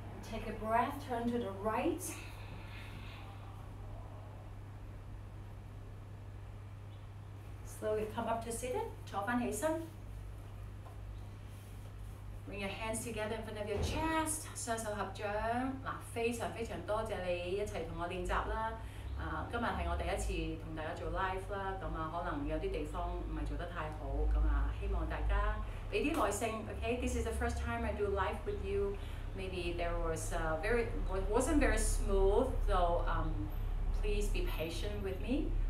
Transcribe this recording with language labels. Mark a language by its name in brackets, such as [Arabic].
[English] Take a breath, turn to the right. Slowly come up to seated, [Cantonese] 坐翻起身. [English] Bring your hands together in front of your chest, [Cantonese] 雙手合掌. 非常非常多謝你一起同我練習啦。今日係我第一次同大家做 live 啦，咁啊可能有啲地方唔係做得太好，咁啊希望大家俾啲耐性 ，OK? [English] This is the first time I do live with you. Maybe there was wasn't very smooth, so please be patient with me.